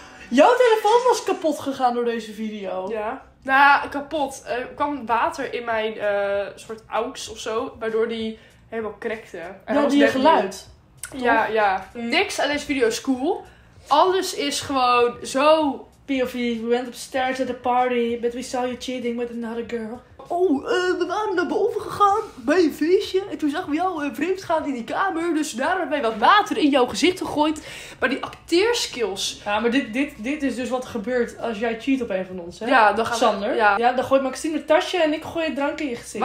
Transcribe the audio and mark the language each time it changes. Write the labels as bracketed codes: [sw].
[nl] Jouw telefoon was kapot gegaan door deze video. Ja. Nou, kapot. Er kwam water in mijn soort aux of zo, waardoor die helemaal krekte. Nou, die geluid. Ja, ja. Niks aan deze video is cool. Alles is gewoon zo... [en] POV, we went upstairs at a party, but we saw you cheating with another girl. [nl] Oh, we waren naar boven gegaan bij een feestje. En toen zagen we jou vreemd gaan in die kamer. Dus daar hebben wij wat water in jouw gezicht gegooid. Maar die acteerskills. Ja, maar dit is dus wat er gebeurt als jij cheat op een van ons, hè? Ja, dan gaan Sander. We, ja. Ja, dan gooit Maxine het tasje en ik gooi het drank in je gezicht.